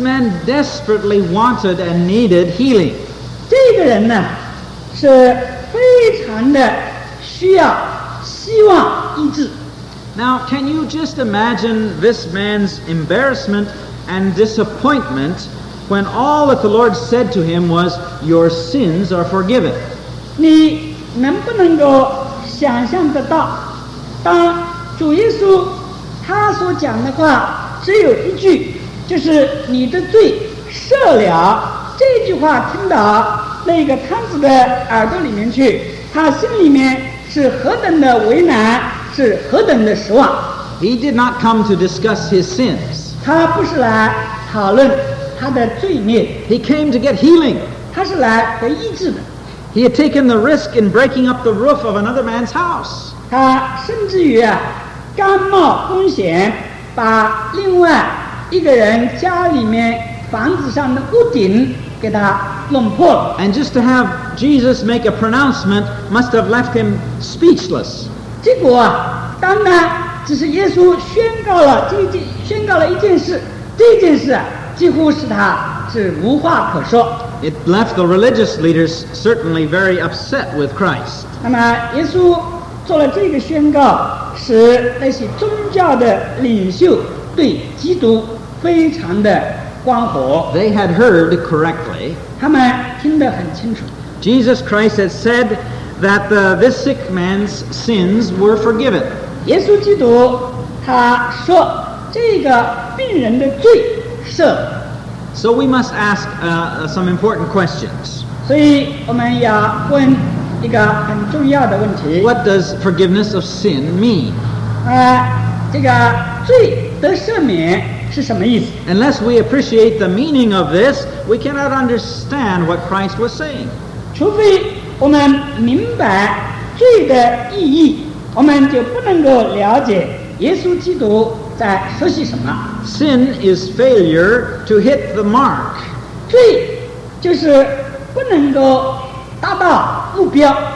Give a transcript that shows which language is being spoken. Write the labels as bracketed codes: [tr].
[en] man desperately wanted and needed healing. [zh] 这个人呢, 是非常的需要希望医治。 [en] Now, can you just imagine this man's embarrassment and disappointment when all that the Lord said to him was, Your sins are forgiven? [zh] 你能不能够想象得到,当主耶稣他所讲的话只有一句,就是你的罪赦了,这句话听到, 那个摊子的耳朵里面去,他心里面是何等的为难,是何等的失望。 [en] He did not come to discuss his sins. [zh] 他不是来讨论他的罪孽。 [en] He came to get healing. [zh] 他是来得医治的。 [en] He had taken the risk in breaking up the roof of another man's house. [zh] 他甚至于啊,甘冒风险把另外一个人家里面房子上的屋顶给他弄破了。 [en] And just to have Jesus make a pronouncement must have left him speechless. [zh] 结果啊，当他只是耶稣宣告了一件事，这件事啊，几乎使他是无话可说。 [en] It left the religious leaders certainly very upset with Christ. [zh] 那么耶稣做了这个宣告，使那些宗教的领袖对基督非常的关火。 [en] They had heard correctly. [zh] 他们听得很清楚。 [en] Jesus Christ had said that this sick man's sins were forgiven. [zh] 耶稣基督他说这个病人的罪是。 [en] So we must ask some important questions. [zh] 所以我们要问一个很重要的问题。 [en] What does forgiveness of sin mean? [zh] 这个罪得赦免是什么意思？ [en] Unless we appreciate the meaning of this, we cannot understand what Christ was saying. [zh] 除非我们明白罪的意义，我们就不能够了解耶稣基督在说些什么。 [en] Sin is failure to hit the mark. [zh] 罪就是不能够达到目标。